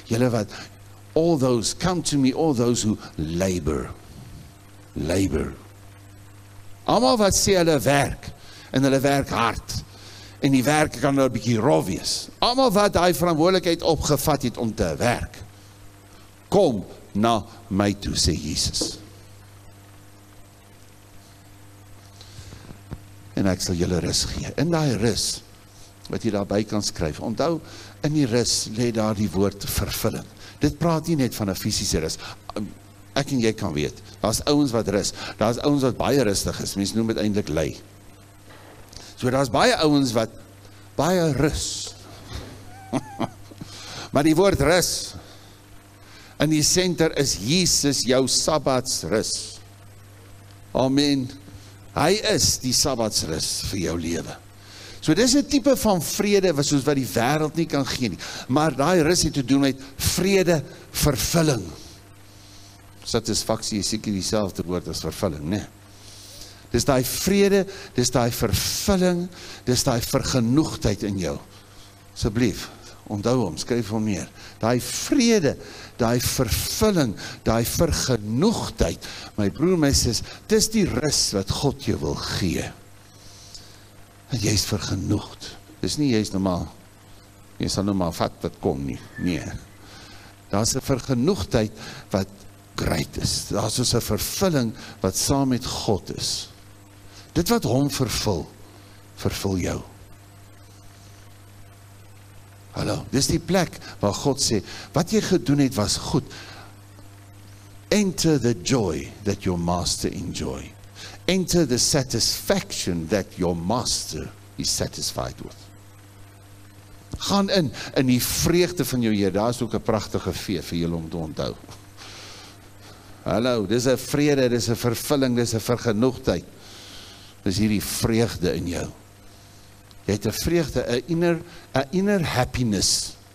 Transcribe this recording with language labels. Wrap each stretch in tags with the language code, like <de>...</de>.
<af>Julle wat,</af> <en>all those, come to me, all those who labor.</en> <af>Allemaal wat sê hulle werk, en hulle werk hard, en die werk kan nou 'n bietjie rof wees. Allemaal wat hy verantwoordelikheid opgevat het om te werk, kom na my toe, sê Jesus. En ek sal julle rus gee. In daai rus, wat jy daarby kan skryf, onthou, in die rus lê daar die woord vervulling. Dit praat nie net van 'n fisiese rus. Ek en jy kan weet, daar is ouens wat rus, daar is ouens wat baie rustig is, mense noem dit eintlik lui. So daar is baie ouens wat baie rus. Maar die woord rus, in die center is Jesus, jou Sabbats rus. Amen. Hy is die Sabbatsrus vir jou lewe. So dis 'n tipe van vrede wat soos wat die wêreld nie kan gee nie. Maar daai rus het te doen met vrede, vervulling. Satisfaksie is seker dieselfde woord as vervulling, né? Dis daai vrede, dis daai vervulling, dis daai vergenoegdheid in jou. Asseblief, onthou hom, skryf hom neer. Daai vrede, daai vervulling, daai vergenoegdheid, my broer, my sis, dis die rus wat God jou wil gee. En jy is vergenoegd. Dis nie jy is normaal, jy sal normaal vat wat kom nie, nee. Daar is 'n vergenoegdheid wat great is. Daar is soos 'n vervulling wat saam met God is. Dit wat hom vervul, vervul jou. Hallo, dis die plek waar God sê, wat jy gedoen het was goed.</af> <en>Enter the joy that your master enjoy. Enter the satisfaction that your master is satisfied with.</en> <af>Gaan in die vreugde van jou Here. Daar is ook 'n pragtige fee vir julle om te onthou. Hallo, dis 'n vrede, dis 'n vervulling, dis 'n vergenoegdheid. Dis hierdie vreugde in jou. Jy het 'n vreugde, 'n</af> <en>inner happiness.</en>